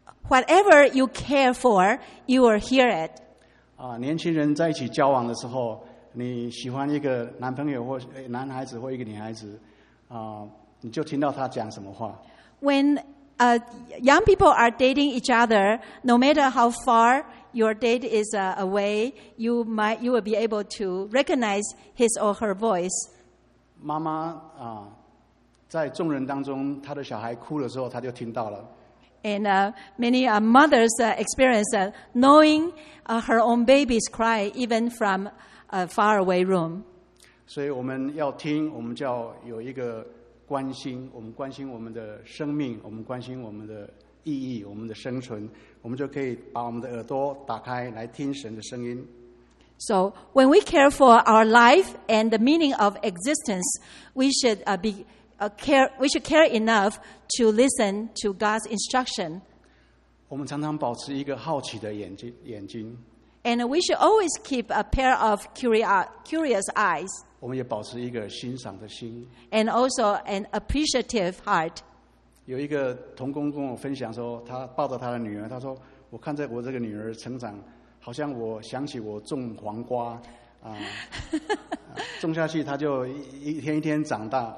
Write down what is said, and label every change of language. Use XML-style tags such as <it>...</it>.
<en>Whatever you care for, you will hear it.</en> <zh>年轻人在一起交往的时候，你喜欢一个男朋友或男孩子或一个女孩子，你就听到他讲什么话。</zh> <en>When young people are dating each other, no matter how far your date is away, you will be able to recognize his or her voice.</en> <zh>妈妈在众人当中，她的小孩哭的时候，她就听到了。</zh> <en>And many mothers experience knowing her own baby's cry even from a far away room.</en> <zh>所以我们要听，我们就要有一个关心，我们关心我们的生命，我们关心我们的意义，我们的生存，我们就可以把我们的耳朵打开来听神的声音。</zh> <en>So when we care for our life and the meaning of existence, we should care enough to listen to God's instruction.</en> <zh>我们常常保持一个好奇的眼睛。</zh> <en>And we should always keep a pair of curious eyes.</en> <zh>我们也保持一个欣赏的心。</zh> <en>And also an appreciative heart.</en> <zh>有一个同工跟我分享说，他抱着他的女儿，他说：“我看着我这个女儿成长，好像我想起我种黄瓜种下去，她就一天一天长大。</zh>